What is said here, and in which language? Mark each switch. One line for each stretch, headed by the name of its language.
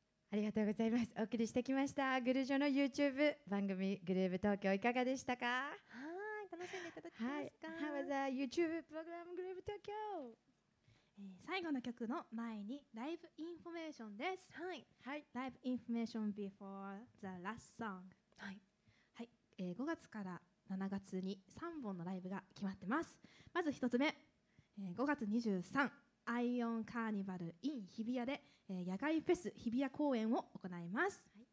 Japanese: ありがとうございます。お送りしてきましたグルジョの YouTube 番組グルーヴ東京いかがでしたか。はい、楽しんでいただきますか。
English: はい、How was the YouTube program グルーヴ東京。
Japanese: 最後の曲の前にライブインフォメーションです。はい、
English: はい、ライブインフォメーション before the last song。
Japanese: はい、はい、5月から7月に3本のライブが決まってます。まず1つ目、5月23アイオンカーニバル in 日比谷で、野外フェス日比谷公演を行います。